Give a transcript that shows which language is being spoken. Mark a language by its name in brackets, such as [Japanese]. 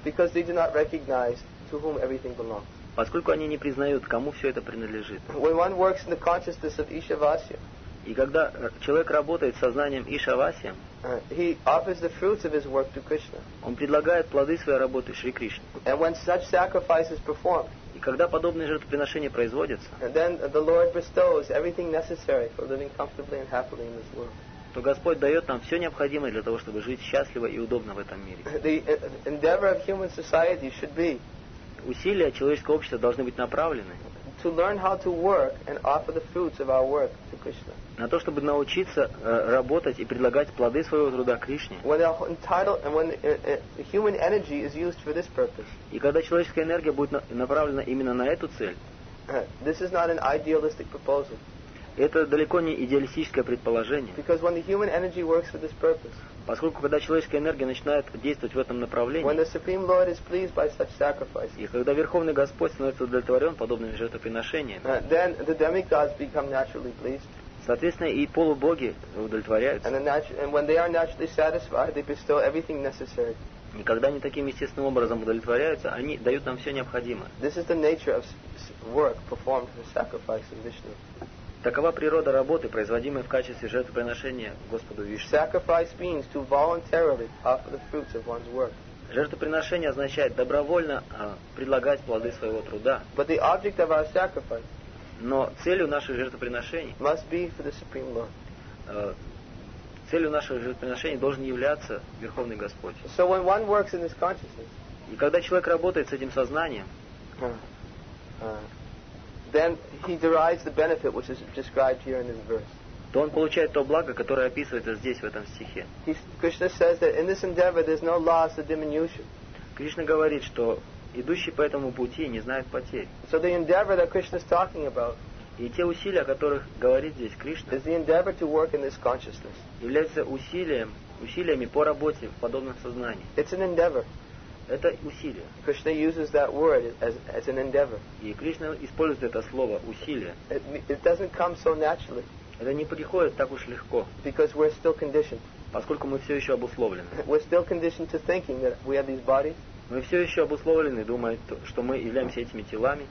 [English] because they do not recognize to whom everything belongs. [Russian] Поскольку они не признают, кому все это принадлежит. [English] When one works in the consciousness of Ishavasya, [Russian] и когда человек работает сознанием Ишавасия, [English] he offers the fruits of his work to Krishna. [Russian] Он предлагает плоды своей работы Шри Кришне. [English] And when such sacrifice is performed, [Russian] и когда подобные жертвоприношения производятся, [English] then the Lord bestows everything necessary for living comfortably and happily in this world. [Russian] То Господь дает нам все необходимое для того, чтобы жить счастливо и удобно в этом мире. [English] The endeavor of human society should be, [Russian] усилия человеческого общества должны быть направлены [English] to learn how to work and offer the fruits of our work to Krishna. [Russian] На то, чтобы научиться работать и предлагать плоды своего труда Кришне. [English] When the entire and when human energy is used for this purpose. [Russian] И когда человеческая энергия будет направлена именно на эту цель. [English] This is not an idealistic proposal. [Russian] Это далеко не идеалистическое предположение. [English] Because when the human energy works for this purpose. [Russian] Поскольку когда человеческая энергия начинает действовать в этом направлении, [English] when the Supreme Lord is pleased by such sacrifices, [Russian] и когда Верховный Господь становится удовлетворен подобными жертвоприношениями, [English] then the demigods become naturally pleased. [Russian] Соответственно, и полубоги удовлетворяются. [English] And when they are naturally satisfied, they bestow everything necessary. [Russian] никогда не таким естественным образом удовлетворяются, они дают нам все необходимое. [English] This is the nature of work performed as a sacrifice to Vishnu. [Russian] Такова природа работы, производимой в качестве жертвоприношения Господу Вишну. [English] Sacrifice means to voluntarily offer the fruits of one's work. [Russian] Жертвоприношение означает добровольно предлагать плоды своего труда. [English] But the object of our sacrifice. [Russian] Но целью наших жертвоприношений. [English] Must be for the Supreme Lord. [Russian] Целью наших жертвоприношений должен являться Верховный Господь. [English] So when one works in this consciousness. [Russian] И когда человек работает с этим сознанием. [English] Then he derives the benefit which is described here in this verse. [Russian] То он получает то благо, которое описывается здесь в этом стихе. [English] Krishna says that in this endeavor there's no loss or diminution. [Russian] Кришна говорит, что идущий по этому пути не знает потерь. [English] So the endeavor that Krishna is talking about. [Russian] И те усилия, о которых говорит здесь Кришна. [English] Is the endeavor to work in this consciousness. [Russian] Является усилиями по работе в подобном сознании. [English] It's an endeavor. [Russian] Это усилие. [English] Krishna uses that word as an endeavor. [Russian] И Кришна использует это слово усилие. [English] It doesn't come so naturally. [Russian] Это не приходит так уж легко. [English] Because we're still conditioned. [Russian] Поскольку мы все еще обусловлены. [English] We're still conditioned to thinking that we have these bodies. [Russian] Мы все еще обусловлены, думая, что мы являемся этими телами.